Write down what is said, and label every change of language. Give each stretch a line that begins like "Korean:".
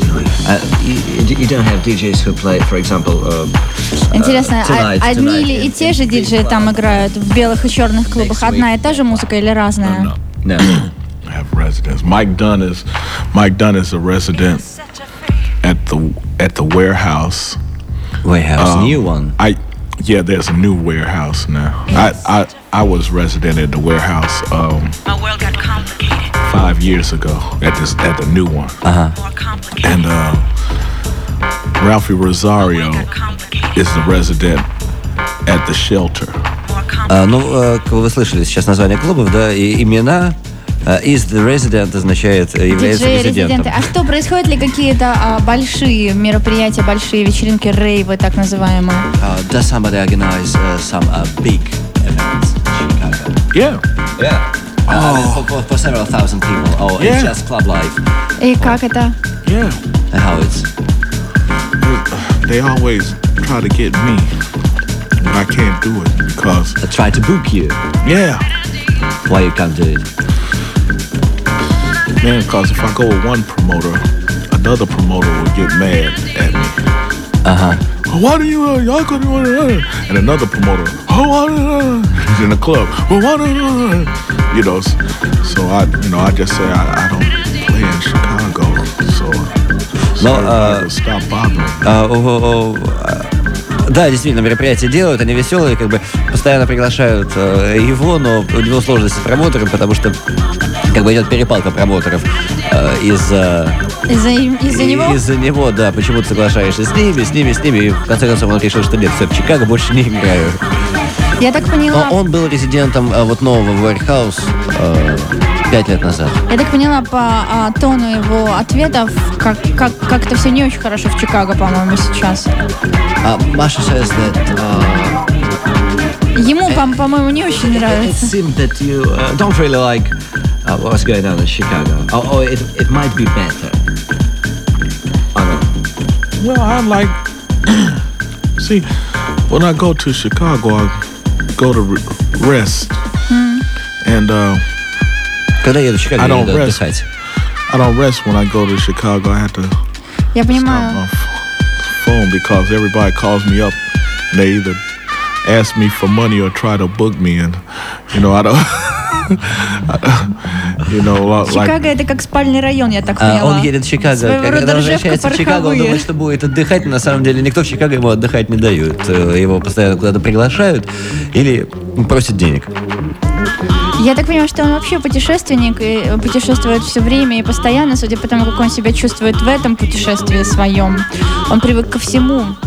English: You don't have DJs who play, for example,
Russian: Интересно,
English: tonight,
Russian: одни или и те же диджеи там играют в белых и черных клубах? Одна и та же музыка или разная?
English: No. I have residents. Mike Dunn is a resident at the warehouse. Warehouse, new one. Yeah, there's a new warehouse now. I was resident at the warehouse. My world got complicated. 5 years ago at the new one. Uh-huh. And Ralphie Rosario is the resident at the shelter.
Russian: Как вы слышали сейчас название клубов, да, и имена.
English: Is the resident
Russian: означает является резидентом. А что, происходят ли какие-то большие мероприятия, большие вечеринки, рейвы, так называемые?
English: Does somebody organize some big events in Chicago? Yeah. For several thousand people. Oh, yeah. It's just club life.
Russian: И как это?
English: Yeah. And how it's? They always try to get me. But I can't do it because... They try to book you? Yeah. Why you can't do it? Man, because if I go with one promoter, another promoter will get mad at me. Uh-huh. Why do you, y'all couldn't want to... And another promoter, oh, why do you... He's in the club. Well, why do you... You know, so I, you know, I just say I don't play in Chicago, so stop bothering me.
Russian: Да, действительно, мероприятия делают, они веселые, как бы постоянно приглашают его, но у него сложности с промоутером, потому что как бы идет перепалка промоутеров из-за него? Из-за него, да, почему ты соглашаешься с ними, и в конце концов он решил, что нет, все, в Чикаго больше не играю. Я так поняла... Но он был резидентом вот нового Warehouse 5 лет назад. Я так поняла по тону его ответов, как это все не очень хорошо в Чикаго, по-моему, сейчас.
English: Маша says that...
Russian: Ему, по-моему, не очень нравится.
English: It seems that you don't really like what's going on in Chicago. Or it might be better. Well, I like... See, when I go to Chicago, I go to rest. And
Russian: когда я еду в Чикаго, я еду отдыхать.
English: I don't rest when I go to Chicago. I have to stop my phone because everybody calls me up. They either ask me for money or try to book me, and you know I don't. You know, like,
Russian: Чикаго – это как спальный район, я так поняла. Он едет в Чикаго. Когда возвращается в Чикаго, он думает, что будет отдыхать. На самом деле никто в Чикаго ему отдыхать не дает. Его постоянно куда-то приглашают или просят денег. Я так понимаю, что он вообще путешественник, и путешествует все время и постоянно, судя по тому, как он себя чувствует в этом путешествии своем. Он привык ко всему.